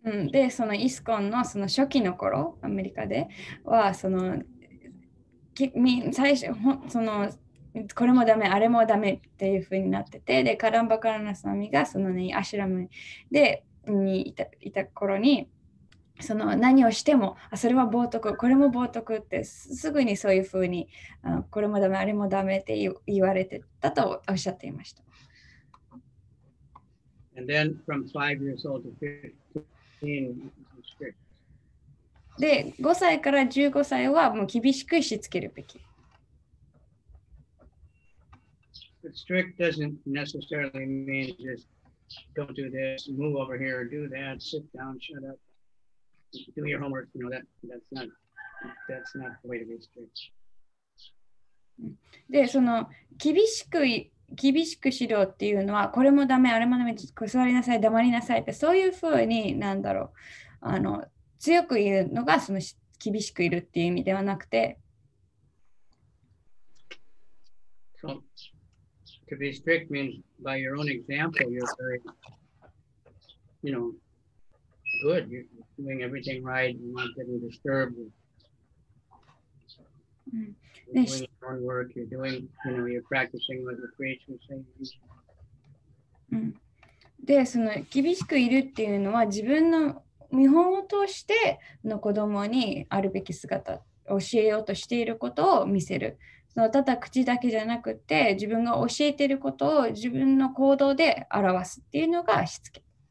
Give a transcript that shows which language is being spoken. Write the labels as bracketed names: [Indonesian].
[Japanese] で、そのイスコンのその初期の頃、アメリカでは、その、最初、その、これもダメ、あれもダメっていう風になってて、で、カランバカラナスワミがそのね、アシュラムでにいた頃に、その何をしても、あ、それは冒涜、これも冒涜って、すぐにそういう風に、あ、これもダメ、あれもダメって言われてたとおっしゃっていました。 [English] And then from 5 years old to 15, [Japanese] で、5歳から15歳はもう厳しくしつけるべき。 [English] Strict doesn't necessarily mean just don't do this, move over here, do that, sit down, shut up, do your homework. You know, that's not the way to be strict. [Japanese] で、その厳しく指導っていうのは、これもダメ、あれもダメ、座りなさい、黙りなさいって、そういうふうに、なんだろう、あの、強く言うのがその厳しくいるっていう意味ではなくて。 [English] So,To be strict means by your own example, you're very, you know, good. You're doing everything right, you're not getting disturbed. You're doing your own work, you're doing, you know, you're practicing what you preach and saying. [Japanese] で、その厳しくいるっていうのは自分の見本を通しての子供にあるべき姿を教えようとしていることを見せる。そのただ口だけじゃなくて自分が教えていることを自分の行動で表すっていうのがしつけ。